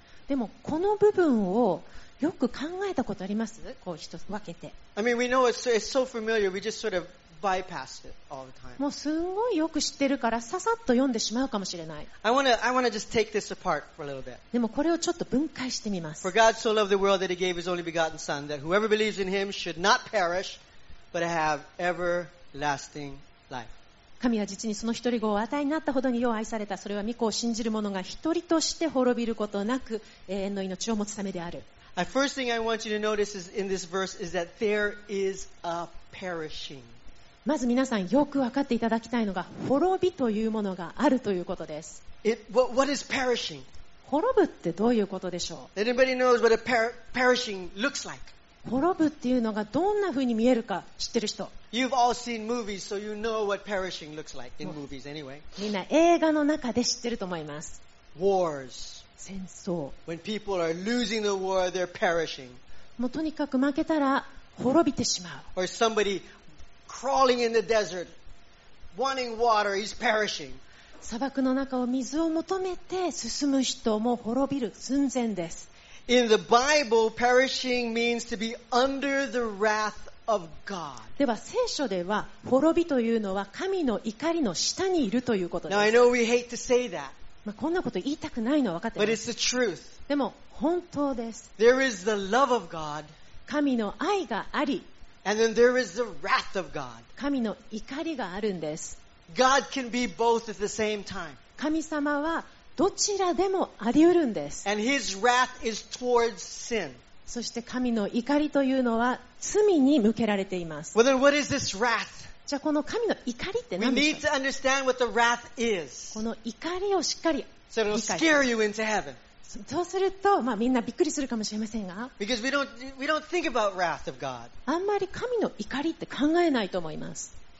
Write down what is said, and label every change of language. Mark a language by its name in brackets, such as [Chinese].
[Japanese] でもこの部分をよく考えたことあります？こう一つ分けて。 [English] I mean, we know it's so familiar. We just sort of bypass it all the time. [Japanese] もうすごいよく知ってるからささっと読んでしまうかもしれない。 [English] I wanna just take this apart for a little bit. [Japanese] でもこれをちょっと分解してみます。 [English] For God so loved the world that He gave His only begotten Son, that whoever believes in Him should not perish. But have everlasting life. [Japanese] 神は実にその一人子をお与えになったほどに世を愛された。それは御子を信じる者が一人として滅びることなく永遠の命を持つためである。 [English] The first thing I want you to notice is in this verse is that there is a perishing. [Japanese] まず皆さんよく分かっていただきたいのが滅びというものがあるということです。 [English] What is perishing? [Japanese] 滅ぶってどういうことでしょう。 [English] Anybody knows what a perishing looks like? [Japanese] 滅ぶっていうのがどんな風に見えるか知ってる人。 [English] You've all seen movies, so you know what perishing looks like in movies anyway. [Japanese] みんな映画の中で知ってると思います。 [English] Wars. [Japanese] 戦争。 [English] When people are losing the war, they're perishing. [Japanese] もうとにかく負けたら滅びてしまう。 [English] Or somebody crawling in the desert, wanting water, he's perishing. [Japanese] 砂漠の中を水を求めて進む人も滅びる寸前です。 [English] In the Bible, perishing means to be under the wrath of God. [Japanese] では聖書では滅びというのは神の怒りの下にいるということです。 [English] Now I know we hate to say that. [Japanese] まあこんなこと言いたくないのは分かってます。 [English] But it's the truth. [Japanese] でも本当です。 [English] There is the love of God. [Japanese] 神の愛があり。 [English] And then there is the wrath of God. [Japanese] 神の怒りがあるんです。 [English] God can be both at the same time. [Japanese] 神様はどちらでもあり得るんです。 [English] And his wrath is towards sin. [Japanese] そして神の怒りというのは罪に向けられています。 [English] Well, then what is this wrath? [Japanese] じゃあこの神の怒りって何でしょう? [English] We need to understand what the wrath is. [Japanese] この怒りをしっかり理解します。 [English] So it'll scare you into heaven. [Japanese] そうすると、まあ、みんなびっくりするかもしれませんが。 [English] Because we don't think about wrath of God. [Japanese] あんまり神の怒りって考えないと思います。